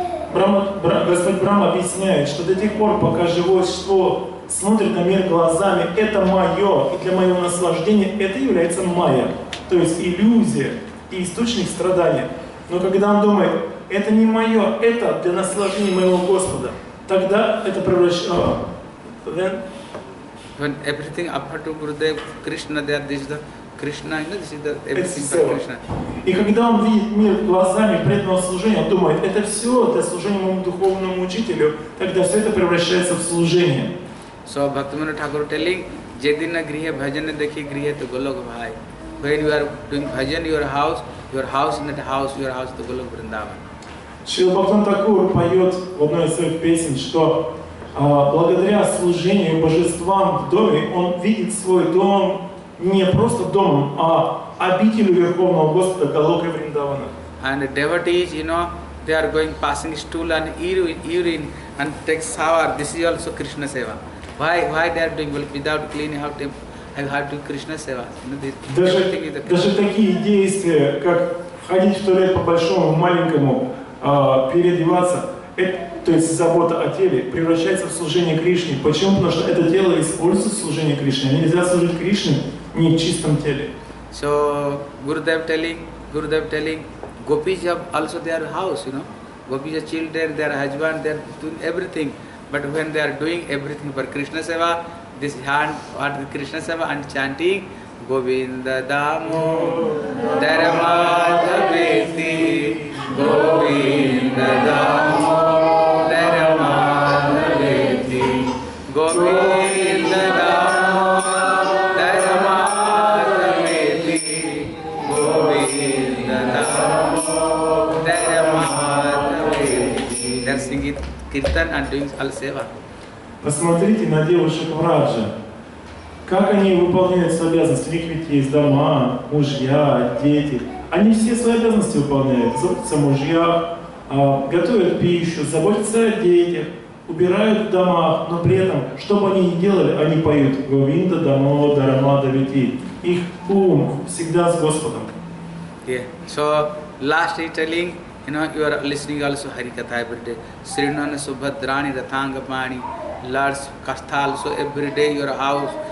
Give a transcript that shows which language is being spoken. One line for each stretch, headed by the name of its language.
Russian: Господь Брахма объясняет, что до тех пор, пока живое существо смотрит на мир глазами, это мое, и для моего наслаждения это является Майя. То есть иллюзия и источник страдания. Но когда он думает, это не мое, это для наслаждения моего Господа. Тогда это превращается.
English: When everything apart to Gurudev, Krishna, they are this the Krishna, you know, this is the everything for Krishna.
Russian: И когда он видит мир глазами преданного служения, он думает, это все для служения моему духовному учителю, тогда все это превращается в служение.
English: So Bhaktivinoda Thakur telling,
Bangla: Jedina Grihe Bhajana Dekhi Grihe to Golok Bhai.
English: When you are doing bhajan your house in that house, your house to Golok Vrindavan.
Russian: Шрила Бхактивинода Тхакур поет в одной из своих песен, что благодаря служению божествам в доме, он видит свой дом не просто домом, а обителью Верховного Господа Галока Вриндавана.
English: And the devotees, you know, they are going passing stool and urine and take shower. This is also Krishna Seva. Why they are doing well without cleaning out temple? I have to do Krishna Seva. You know,
Russian: даже такие действия, как ходить в туалет по большому, маленькому, переодеваться, то есть забота о теле, превращается в служение Кришне. Почему? Потому что это тело используется в служении Кришне. Нельзя служить Кришне не в чистом теле.
English: So, Gurudev telling, Gopis have also their house, you know. Gopis have children, their husband, they're doing everything. But when they are doing everything for Krishna Seva, this hand, what is Krishna Seva and chanting,
Sanskrit: Govinda Damo Dharma Dhabeti,
English: Govinda Damo Dharma Dhabeti, Govinda Damo Dharma Dhabeti, Govinda Damo Dharma Dhabeti. They are singing Kirtan and doing all Seva.
Russian: Посмотрите на девушек Враджа. Как они выполняют свои обязанности? У них ведь есть дома, мужья, дети. Они все свои обязанности выполняют. Заботятся о мужьях, готовят пищу, заботятся о детях, убирают в домах. Но при этом, что бы они ни делали, они поют «Говинда, дамо, дарама, давити». Их ум всегда с Господом.
English: Yeah. So, last telling, you know, you are listening also Harikatha every day.
Sanskrit: Srinana Subhadrani Rathangapani,
English: Lord's Kastha also every day, your house.